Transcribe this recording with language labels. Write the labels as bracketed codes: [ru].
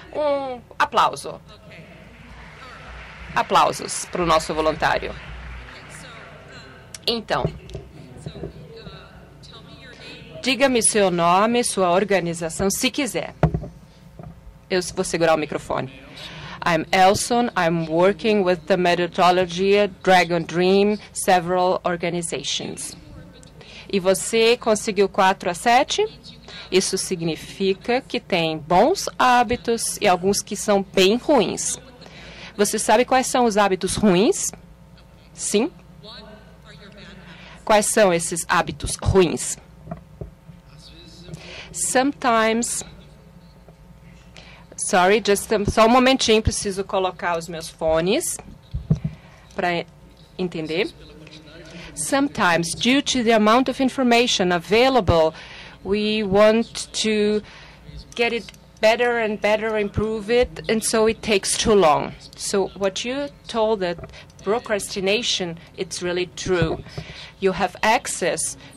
[pt] Um aplauso. Aplausos para o nosso voluntário. Então, diga-me seu nome, sua organização, se quiser. Eu vou segurar o microfone. [en] I'm Elson. I'm working with the methodology Dragon Dream, several organizations. [pt] E você conseguiu 4 a 7? Isso significa que tem bons hábitos e alguns que são bem ruins. Você sabe quais são os hábitos ruins? Sim? Quais são esses hábitos ruins? [en] Sometimes... Sorry, [pt] só um momentinho, preciso colocar os meus fones para entender. [en] Sometimes, due to the amount of information available, we want to get it better and better, improve it, and so it takes too long. So what you told that procrastination, it's really true. You have access